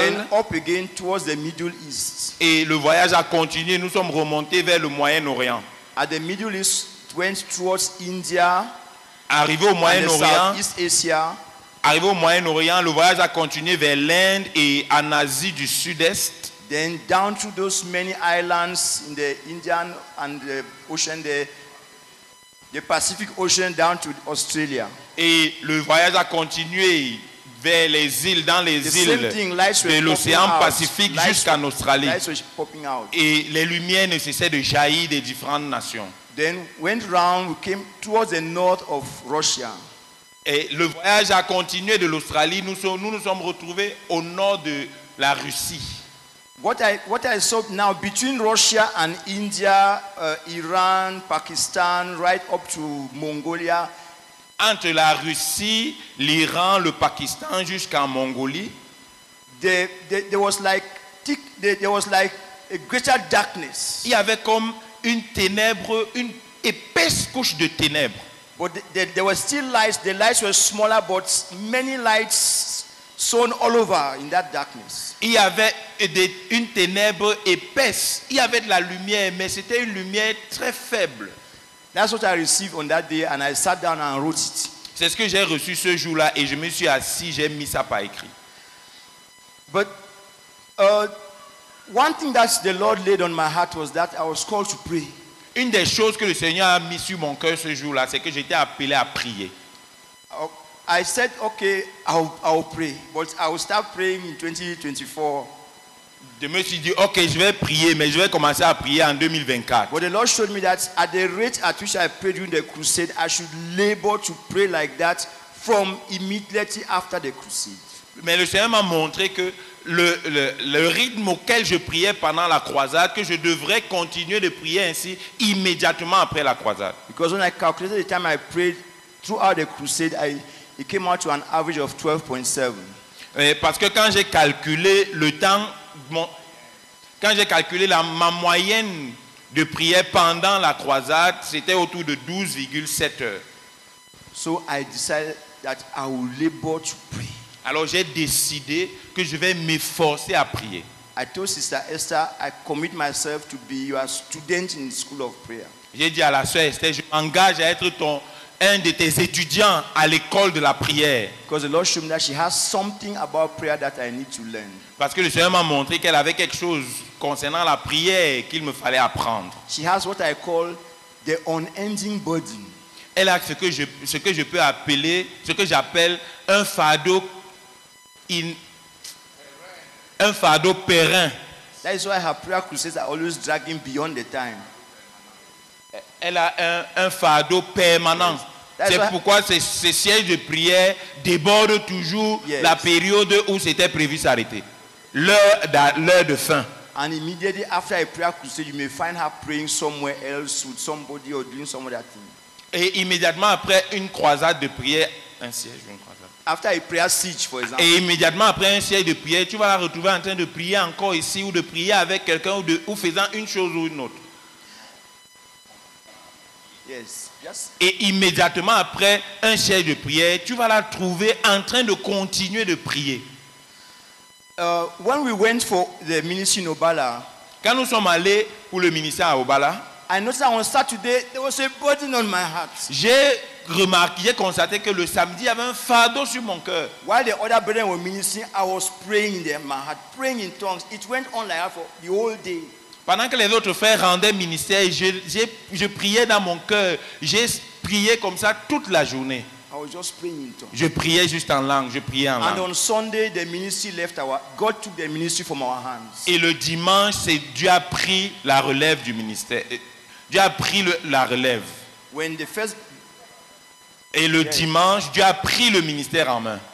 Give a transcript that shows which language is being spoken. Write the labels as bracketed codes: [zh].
[en] Then up again towards the Middle East. [fr] Et le voyage a continué. Nous sommes remontés vers le Moyen-Orient. [en] At the Middle East, went towards India. [fr] Arrivé au Moyen-Orient. [en] East Asia. [fr] Arrivé au Moyen-Orient, le voyage a continué vers l'Inde et en Asie du Sud-Est. [en] Then down to those many islands in the Indian and the ocean there. the Pacific Ocean down to Australia. [fr] Et le voyage a continué vers les îles, dans les îles de l'océan Pacifique jusqu'en Australie. Et les lumières ne cessaient de jaillir des différentes nations. [en] Then went round, we came towards the north of Russia. [fr] Et le voyage a continué de l'Australie. Nous nous sommes retrouvés au nord de la Russie. [en] What I saw now between Russia and India, Iran, Pakistan, right up to Mongolia. [fr] Entre la Russie, l'Iran, le Pakistan jusqu'en Mongolie. [en] There was like a greater darkness. [fr] Il y avait comme une ténèbre, une épaisse couche de ténèbres. [en] But there were still lights. The lights were smaller, but many lights shone all over in that darkness. [fr] Il y avait une ténèbre épaisse. Il y avait de la lumière, mais c'était une lumière très faible. [en] That's what I received on that day, and I sat down and wrote it. [fr] C'est ce que j'ai reçu ce jour-là, et je me suis assis, j'ai mis ça par écrit. [en] But one thing that the Lord laid on my heart was that I was called to pray. [fr] Une des choses que le Seigneur a mis sur mon cœur ce jour-là, c'est que j'étais appelé à prier. [en] I said, okay, I'll pray, but I will start praying in 2024. [fr] Je me suis dit, okay, je vais prier, mais je vais commencer à prier en 2024. [en] But the Lord showed me that at the rate at which I prayed during the crusade, I should labor to pray like that from immediately after the crusade. [fr] Mais le Seigneur m'a montré que le rythme auquel je priais pendant la croisade, que je devrais continuer de prier ainsi immédiatement après la croisade. [en] Because when I calculated the time I prayed throughout the crusade, it came out to an average of 12.7. [fr] Parce que quand j'ai calculé le temps, quand j'ai calculé ma moyenne de prière pendant la croisade, c'était autour de 12,7 heures. [en] So I decided that I will labor to pray. [fr] Alors j'ai décidé que je vais m'efforcer à prier. [en] I told Sister Esther, I commit myself to be your student in the school of prayer. [fr] J'ai dit à la sœur Esther, je m'engage à être un de tes étudiants à l'école de la prière. [en] Because the Lord showed me that she has something about prayer that I need to learn. [fr] Parce que le Seigneur m'a montré qu'elle avait quelque chose concernant la prière qu'il me fallait apprendre. [en] She has what I call the unending burden. [fr] Elle a ce que j'appelle un fardeau pérenne. [en] That is why her prayer crusades are always dragging beyond the time. [fr] Elle a un fardeau permanent. [en] Yes. [fr] C'est [en] why, [fr] pourquoi ces sièges de prière débordent toujours, [en] yes, [fr] la période où c'était prévu s'arrêter. L'heure de fin. [en] And immediately after a prayer crusade, you may find her praying somewhere else with somebody or doing some other thing. [fr] Et immédiatement après une croisade de prière, un siège, une croisade. [en] After a prayer siege, for example. [fr] Et immédiatement après un siège de prière, tu vas la retrouver en train de prier encore ici ou de prier avec quelqu'un ou faisant une chose ou une autre. [en] Yes. Yes. [fr] Et immédiatement après un siège de prière, tu vas la trouver en train de continuer de prier. [en] When we went for the ministry in Obala, [fr] quand nous sommes allés pour le ministère à Obala, [en] I noticed that on Saturday there was a burden on my heart. [fr] J'ai constaté que le samedi il y avait un fardeau sur mon cœur. [en] While the other brethren were ministering, I was praying in my heart, praying in tongues. It went on like that for the whole day. [fr] Pendant que les autres frères rendaient ministère, je priais dans mon cœur. J'ai prié comme ça toute la journée. [en] I was just praying in tongues. [fr] Je priais juste en langue. Je priais en [en] And [fr] langue. [en] On Sunday, the ministry left our God took the ministry from our hands. [fr] Et le dimanche, c'est Dieu a pris la relève du ministère. Dieu a pris la relève. [en] When the first [fr] Et le [en] yes. [fr] dimanche, Dieu a pris le ministère en main.